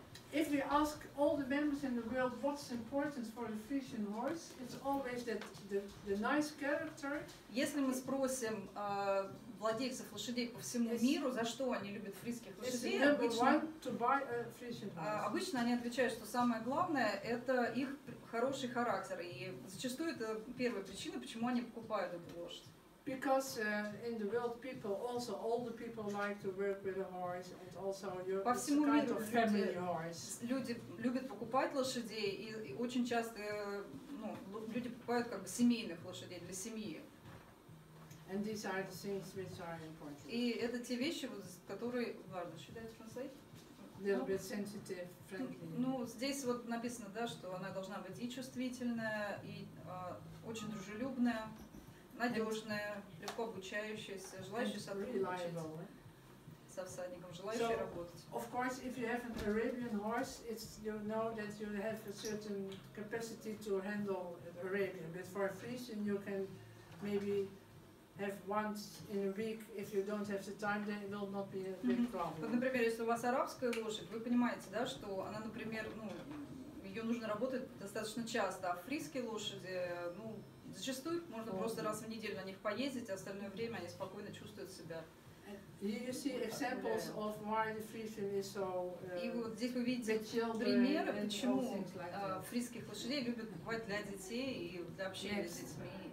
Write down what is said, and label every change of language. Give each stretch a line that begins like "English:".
English: If we ask all the members in the world what's important for the Friesian horse, it's always that the nice character.
Russian: Если мы спросим владельцев лошадей по всему миру, за что они любят фрисских лошадей, обычно они отвечают, что самое главное – это их хороший характер. И зачастую это первая причина, почему они покупают эту лошадь.
English: Because in the world people also all the people like to work with a horse and also your kind of family horse.
Russian: Люди любят покупать лошадей и очень часто ну люди покупают как бы семейных лошадей для семьи.
English: And these are the things which are important.
Russian: И это те вещи, которые важно считать французский.
English: Little bit sensitive, friendly.
Russian: Ну здесь вот написано, да, что она должна быть и чувствительная и очень дружелюбная. Надежная, легко обучающаяся, желающая сотрудничать.
English: Reliable, eh?
Russian: со всадником, желающие работать.
English: Of course, if you have an Arabian horse, it's you know that you have a certain capacity to handle an Arabian. But for a Frisian, you can maybe have once in a week. If you don't have the time, then it will not be a big problem.
Russian: Вот, например, если у вас арабская лошадь, вы понимаете, да, что она, например, ну, ее нужно работать достаточно часто, а фриские лошади, ну, зачастую можно просто раз в неделю на них поездить, а остальное время они спокойно чувствуют себя.
English: You see examples of why the Friesian is so.
Russian: И вот здесь вы видите примеры, почему фрисских лошадей любят бывать для детей и для общения с детьми.